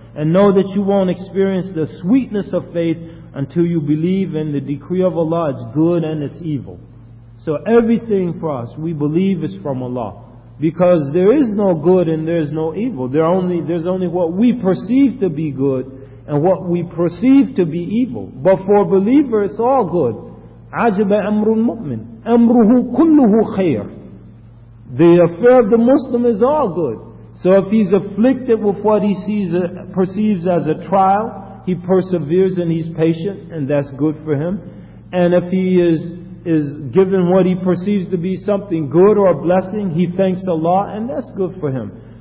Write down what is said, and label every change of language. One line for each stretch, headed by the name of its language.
English: And know that you won't experience the sweetness of faith until you believe in the decree of Allah, it's good and it's evil. So everything for us, we believe is from Allah. Because there is no good and there is no evil. There's only what we perceive to be good and what we perceive to be evil. But for a believer, it's all good.
Arabic: عَجَبَ أَمْرُ الْمُؤْمِنِ أَمْرُهُ كُلُّهُ خَيْرٌ.
English: The affair of the Muslim is all good. So if he's afflicted with what he sees, perceives as a trial, he perseveres and he's patient, and that's good for him. And if he is given what he perceives to be something good or a blessing, he thanks Allah, and that's good for him.